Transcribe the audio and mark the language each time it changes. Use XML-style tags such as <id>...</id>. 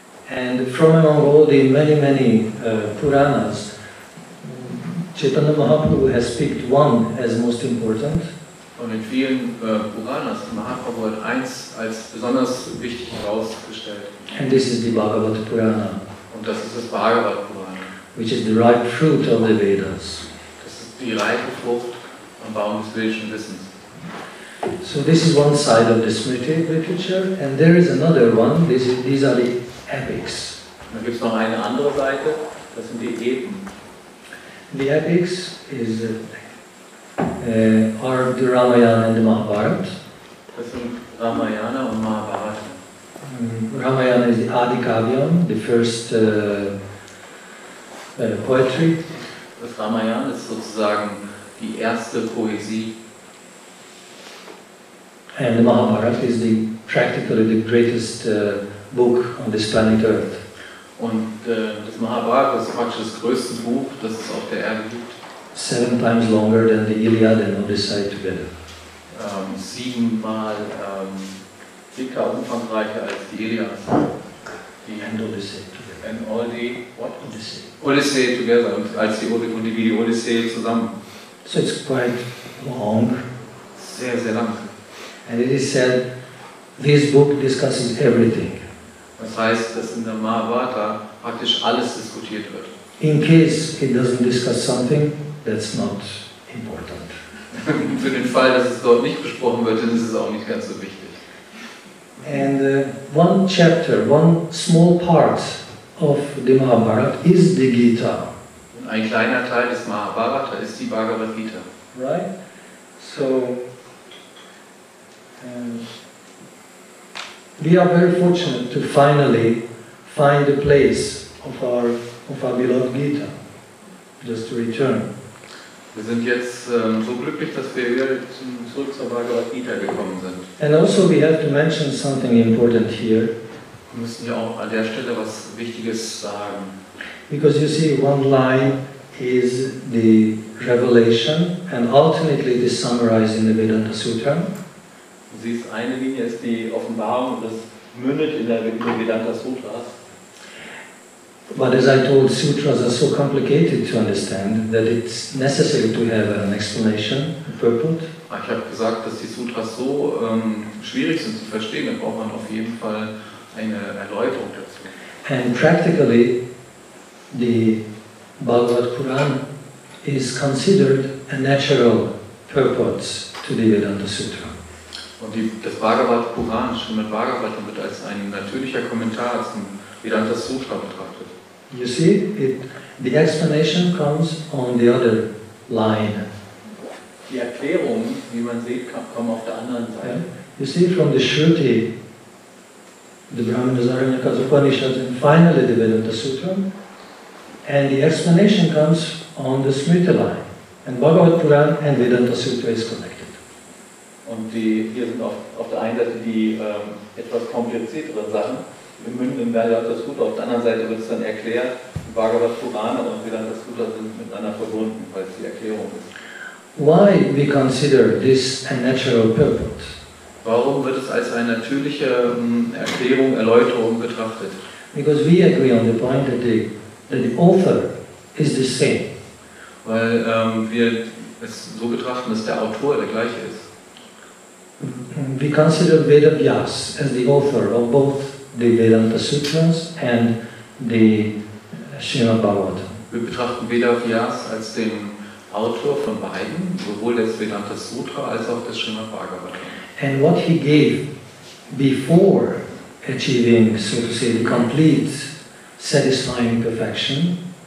<en>And from among all the many, many Puranas, Chaitanya Mahaprabhu has picked one as most important.</en> <de>Und in vielen Puranas, Mahaprabhu hat eins als besonders wichtig herausgestellt.</de> <en>And this is the Bhagavad Purana.</en> <de>Und das ist das Bhagavad Purana.</de> <en>Which is the ripe fruit of the Vedas.</en> <de>Das ist die reife Frucht am Baum des vedischen Wissens.</de> <en>So this is one side of the Smriti literature, and there is another one, these are the epics.</en> <de>Dann gibt es noch eine andere Seite, das sind die Epen.</de> <en>The epics is are the Ramayana and the Mahabharata.</en> <de>Das sind Ramayana und Mahabharata.</de> <en>Ramayana is the Adi Kavyam, the first poetry.</en> <de>Das Ramayana ist sozusagen die erste Poesie.</de> <en>And the Mahabharata is the practically the greatest book on this planet Earth.</en> <de>Und das Mahabharata ist praktisch das größte Buch, das es auf der Erde gibt.</de> <en>7 times longer than the Iliad and Odyssey together.</en> <de>7-mal dicker, umfangreicher als die Iliad.</de> <en>And Odyssey together. And all the what? Odyssey. Odyssey together</en> <de>und als die Odyssey zusammen.</de> <en>So it's quite long.</en> <de>Sehr, sehr lang.</de> <en>And it is said, this book discusses everything.</en> <de>Das heißt, dass in der Mahabharata praktisch alles diskutiert wird.</de> <en>In case it doesn't discuss something, that's not important.</en> <de>Für den Fall, dass es dort nicht besprochen wird, dann ist es auch nicht ganz so wichtig.</de> <en>And one chapter, one small part of the Mahabharata is the Gita.</en> <de>Und ein kleiner Teil des Mahabharata ist die Bhagavad Gita.</de> <en>Right? So, we are very fortunate to finally find a place of our beloved Gita. Just to return.</en> <de>Wir sind jetzt so glücklich, dass wir wieder zurück zur Bhagavad Gita gekommen sind.</de> <en>And also we have to mention something important here.</en> <de>Wir müssen ja auch an der Stelle was Wichtiges sagen.</de> <en>Because you see, one line is the revelation and ultimately the summarizing the Vedanta Sutra.</en> <de>Siehst, eine Linie ist die Offenbarung und das mündet in der Vedanta Sutras.</de> <en>But as I told, sutras are so complicated to understand that it's necessary to have an explanation, a purport.</en> <de>Ich habe gesagt, dass die Sutras so schwierig sind zu verstehen, dann braucht man auf jeden Fall eine Erläuterung dazu.</de> <en>And practically, the Bhagavad Puran is considered a natural purport to the Vedanta Sutra.</en> <de>Und das Bhagavad Puran, Srimad Bhagavatam, wird als ein natürlicher Kommentar zum Vedanta Sutra betrachtet.</de> <en>You see, the explanation comes on the other line.</en> <de>Die Erklärung, wie man sieht, kommt auf der anderen Seite.</de> <en>Yeah. You see, from the Shruti, the Brahmanas, Aranyakas, Upanishads, and finally the Vedanta Sutra, and the explanation comes on the Smriti line. And Bhagavad Puran and Vedanta Sutra is connected.</en> <de>Und hier sind auf der einen Seite die etwas komplizierteren Sachen. Wir münden im Vedanta Sutra, auf der anderen Seite wird es dann erklärt. Bhagavad Purana und Vedanta Sutra sind miteinander verbunden, weil es die Erklärung ist.</de> <en>Why we consider this a natural purport?</en> <de>Warum wird es als eine natürliche Erklärung, Erläuterung betrachtet?</de> <en>Because we agree on the point that the author is the same.</en> <de>Weil wir es so betrachten, dass der Autor der gleiche ist.</de> <en>We consider Veda Vyas as the author of both the Vedanta Sutras and the Srimad Bhagavatam.</en> <de>Wir betrachten Veda Vyas als den Autor von beiden, sowohl des Vedanta Sutra als auch des Srimad Bhagavatam.</de> <en>And what he gave before achieving, so to say, the complete satisfying perfection.</en>